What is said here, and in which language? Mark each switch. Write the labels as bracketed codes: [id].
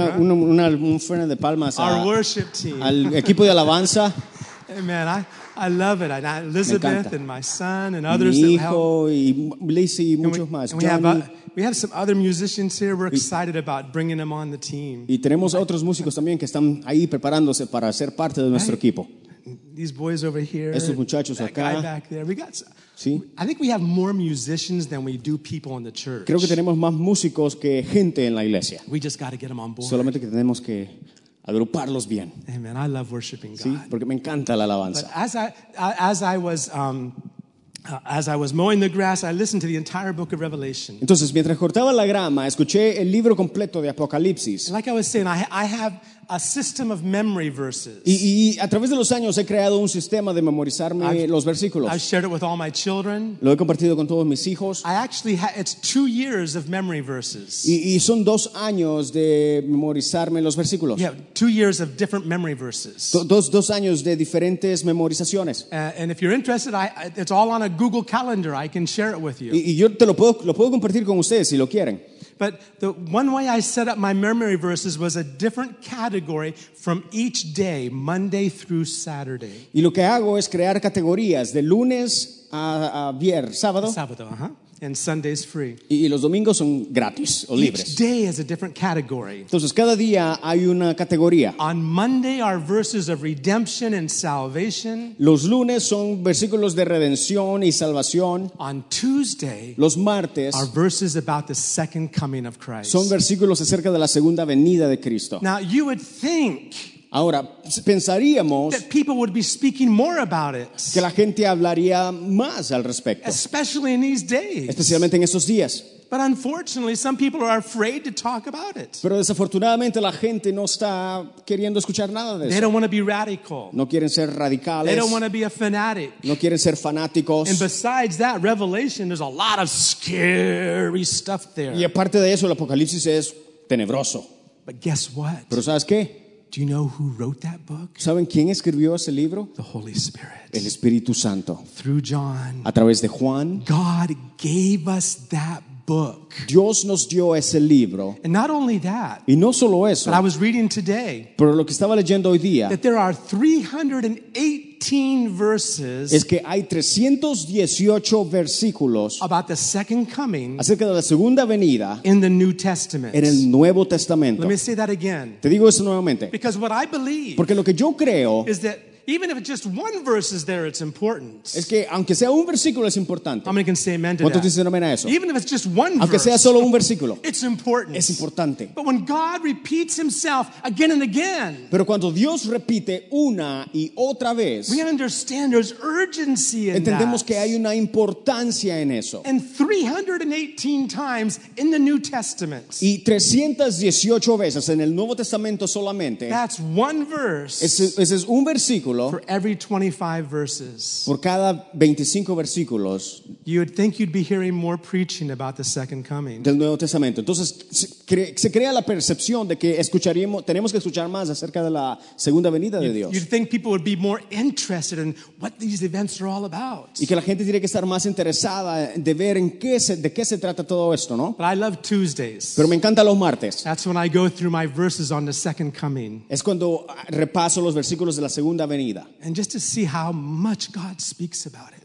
[es] Un fuerte de palmas [en] a, our worship team. [es] Al equipo de alabanza. [en] Amen. I love it. Elizabeth and my son and others [es] mi hijo, [en] that help. [es] Y Lisa y muchos más. [en] We have some other musicians here. We're excited about bringing them on the team. [es] Y tenemos [en] right. [es] Otros músicos también que están ahí preparándose para ser parte de nuestro [en] right. [es] Equipo. [en] These boys over here. [es] Estos muchachos [en] that [es] acá. [en] Guy back there. We got some. [es] Sí. [en] I think we have more musicians than we do people in the church. [es] Creo que tenemos más músicos que gente en la iglesia. [en] We just got to get them on board. [es] Solamente que tenemos que agruparlos bien. [en] Amen. I love worshiping God. [es] Sí, porque me encanta la alabanza. [en] But as I was mowing the grass, I listened to the entire book of Revelation. [es] Entonces, mientras cortaba la grama, escuché el libro completo de Apocalipsis. [en] Like I was saying, I have a system of memory verses. [es] Y a través de los años he creado un sistema de memorizarme los versículos. [en] I've shared it with all my children. [es] Lo he compartido con todos mis hijos. [en] I actually it's 2 years of memory verses. [es] Y son 2 años de memorizarme los versículos. [en] Yeah, 2 years of different memory verses. [es] Dos años de diferentes memorizaciones. [en] And if you're interested, it's all on a Google calendar. I can share it with you. [es] Y yo te lo puedo compartir con ustedes si lo quieren. [en] But the one way I set up my memory verses was a different category from each day, Monday through Saturday. [es] Y lo que hago es crear categorías de lunes a viernes, sábado. Sábado, ajá. [en] And Sunday's free. [es] Y los domingos son gratis o libres. [en] Each day is a different category. [es] Entonces, cada día hay una categoría. [en] On Monday are verses of redemption and salvation. [es] Los lunes son versículos de redención y salvación. [en] On Tuesday, [es] los martes, [en] are verses about the second coming of Christ. [es] Son versículos acerca de la segunda venida de Cristo. [en] Now, you would think [es] ahora, pensaríamos [en] that people would be speaking more about it. [es] Que la gente hablaría más al respecto. [en] Especially in these days. [es] Especialmente en estos días. [en] But unfortunately, some people are afraid to talk about it. [es] Pero desafortunadamente la gente no está queriendo escuchar nada de eso. [en] They don't want to be radical. [es] No quieren ser radicales. [en] They don't want to be a fanatic. [es] No quieren ser fanáticos. [en] And besides that, Revelation, there's a lot of scary stuff there. [es] Y aparte de eso, el Apocalipsis es tenebroso. [en] But guess what? [es] Pero ¿sabes qué? [en] Do you know who wrote that book? [es] ¿Saben quién escribió ese libro? [en] The Holy Spirit. [es] El Espíritu Santo. [en] Through John. [es] A través de Juan. [en] God gave us that book. [es] Dios nos dio ese libro. [en] And not only that. [es] Y no solo eso. [en] But I was reading today. [es] Pero lo que estaba leyendo hoy día. [en] That there are 318 verses. [es] Es que hay 318 versículos. [en] About the second coming. [es] Acerca de la segunda venida. [en] In the New Testament. [es] En el Nuevo Testamento. [en] Let me say that again. [es] Te digo eso nuevamente. [en] Because what I believe. [es] Porque lo que yo creo. [en] Is that even if it's just one verse is there, it's important. [es] Es que aunque sea un versículo es importante. [en] How many can say amen to that? [es] ¿Cuántos dicen amen a eso? [en] Even if it's just one [es] aunque [en] verse, [es] sea solo un versículo, [en] it's important. [es] Es importante. [en] But when God repeats himself again and again, [es] pero cuando Dios repite una y otra vez, [en] we understand there's urgency in [es] entendemos [en] that. [es] Que hay una importancia en eso. [en] And 318 times in the New Testament. [es] Y 318 veces en el Nuevo Testamento solamente. [en] That's one verse. [es] Ese es un versículo. [en] For every 25 verses. [es] Por cada 25 versículos. [en] You would think you'd be hearing more preaching about the second coming. [es] Del Nuevo Testamento. Entonces se crea la percepción de que escucharíamos, tenemos que escuchar más acerca de la segunda venida de Dios. [en] You'd think people would be more interested in what these events are all about. [es] Y que la gente tiene que estar más interesada de ver en qué de qué se trata todo esto, ¿no? [en] But I love Tuesdays. [es] Pero me encanta los martes. [en] That's when I go through my verses on the second coming. [es] Es cuando repaso los versículos de la segunda venida. [en] And just to see how much God speaks about it.